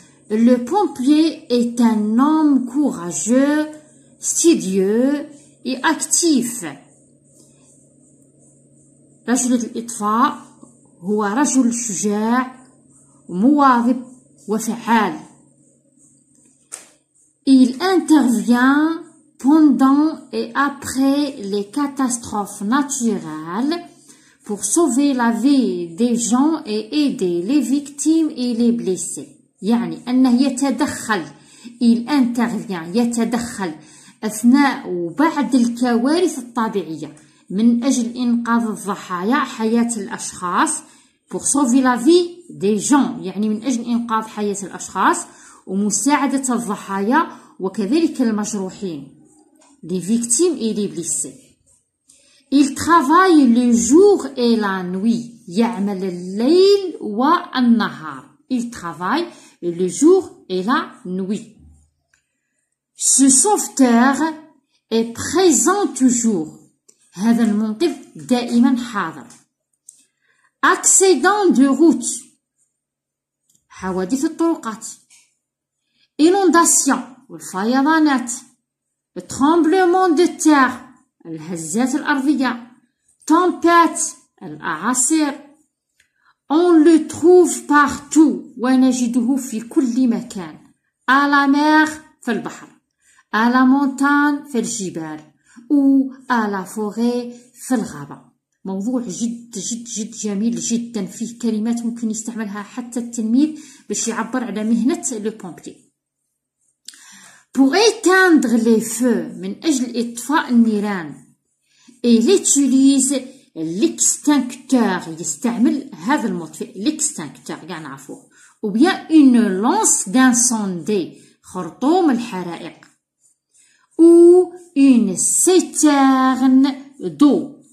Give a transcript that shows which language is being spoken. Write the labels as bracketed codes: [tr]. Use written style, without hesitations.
[fr] لو بومبيي اي ان اوم كوراجو ستيديو اي اكتيف. [ar] رجل الإطفاء هو رجل شجاع ومواظب وفعال. [fr] Il intervient pendant et après les catastrophes naturelles pour sauver la vie des gens et aider les victimes et les blessés. [ar] يعني أنه يتدخل. [fr] Il intervient [ar] يتدخل أثناء وبعد الكوارث الطبيعية من أجل إنقاذ الضحايا، حياة الأشخاص. [fr] pour sauver la vie des gens [ar] يعني من أجل إنقاذ حياة الأشخاص ومساعدة الضحايا وكذلك المجروحين. [fr] les victimes et les blessés. il travaille le jour et la nuit. [ar] يعمل الليل والنهار. [fr] il travaille le jour et la nuit. ce sauveteur est présent toujours. [ar] هذا المنقذ دائما حاضر. [fr] accident de route [ar] حوادث الطرقات. [fr] inondation [ar] والفيضانات. [fr] tremblement de terre [ar] الهزات الأرضية. [fr] tempête [ar] الأعاصير. [fr] on le trouve partout [ar] ونجده في كل مكان. [fr] à la mer [ar] في البحر. [fr] à la montagne [ar] في الجبال. [fr] ou à la forêt [ar] في الغابة. موضوع جد جد جد جميل جدا، فيه كلمات ممكن يستعملها حتى التلميذ باش يعبر على مهنة لو بومبي. [fr] pour éteindre les feux [ar] من اجل اطفاء النيران. [fr] il utilise l'extincteur [ar] يستعمل هذا المطفئ [fr] l'extincteur [ar] كاع نعرفوه. [fr] ou bien une lance d'incendie [ar] خرطوم الحرائق. [fr] ou une citerne d'eau.